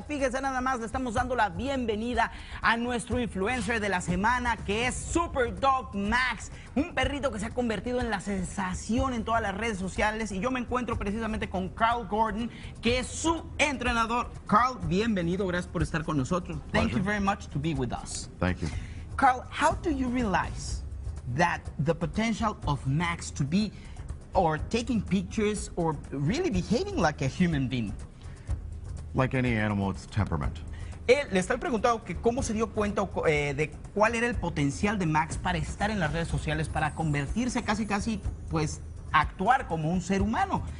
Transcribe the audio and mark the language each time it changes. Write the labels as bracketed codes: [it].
[es] Fíjense nada más, le estamos dando la bienvenida a nuestro influencer de la semana, que es Super Dog Max, un perrito que se ha convertido en la sensación en todas las redes sociales. Y yo me encuentro precisamente con Carl Gordon, que es su entrenador. Carl, bienvenido, gracias por estar con nosotros. [en] Pleasure. Thank you very much to be with us. Thank you. Carl, how do you realize that the potential of Max to be or taking pictures or really behaving like a human being? Like any animal, it's temperament. [es] Le estoy preguntando que cómo se dio cuenta de cuál era el potencial de Max para estar en las redes sociales, para convertirse casi casi, pues, actuar como un ser humano.